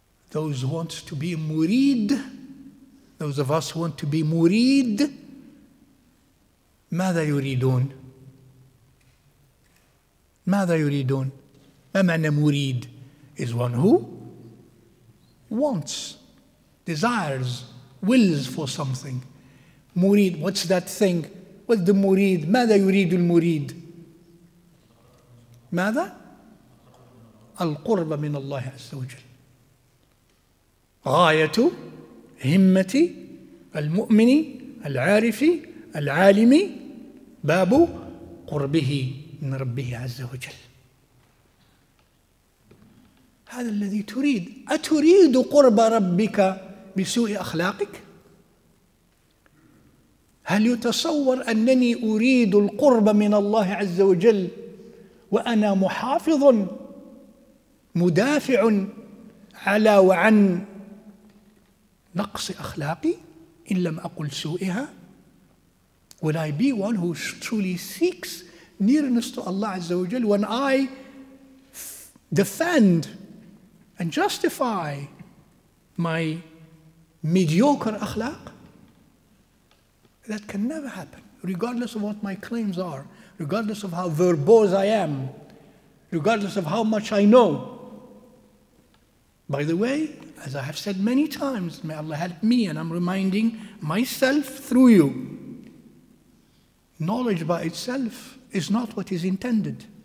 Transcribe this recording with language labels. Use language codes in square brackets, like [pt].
[en] those who want to be murid, those of us who want to be murid, [ar] ماذا يريدون؟ ماذا يريدون؟ ما معنى مريد؟ [en] Is one who wants, desires, wills for something. مريد, what's that thing? What's the [ar] مريد؟ ماذا يريد المريد؟ ماذا؟ القرب من الله عز وجل. غاية همة المؤمن العارف العالم باب قربه من ربه عز وجل. هذا الذي تريد. أتريد قرب ربك بسوء أخلاقك؟ هل يتصور أنني أريد القرب من الله عز وجل وأنا محافظ مدافع على وعن نقص أخلاقي إن لم أقل سوءها؟ [en] Will I be one who truly seeks nearness to Allah عز وجل when I defend and justify my mediocre akhlaq? That can never happen, regardless of what my claims are, regardless of how verbose I am, regardless of how much I know. By the way, as I have said many times, may Allah help me, and I'm reminding myself through you, knowledge by itself is not what is intended.